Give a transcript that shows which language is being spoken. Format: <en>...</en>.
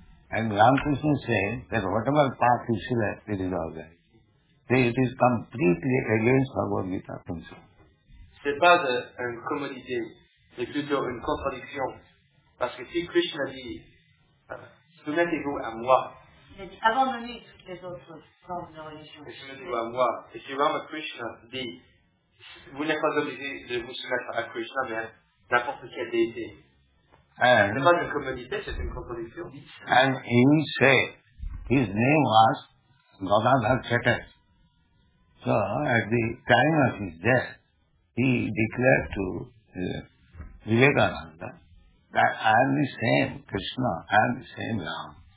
<en>And Ramakrishna says that whatever path you select, it is all right. So it is completely against Bhagavad Gita principle.</en> <fr>C'est pas une commodité, c'est plutôt une contradiction. Parce que si Krishna dit, soumettez-vous à moi. Il a dit, abandonnez toutes les autres formes de religion. Et soumettez-vous à moi. Et si Ramakrishna dit, vous n'êtes pas obligé de vous soumettre à Krishna, mais à n'importe quelle déité.</fr> <en>And he said, his name was Gadadhar Chatterjee. So at the time of his death, he declared to Vivekananda that I am the same Krishna, I am the same Ram.</en>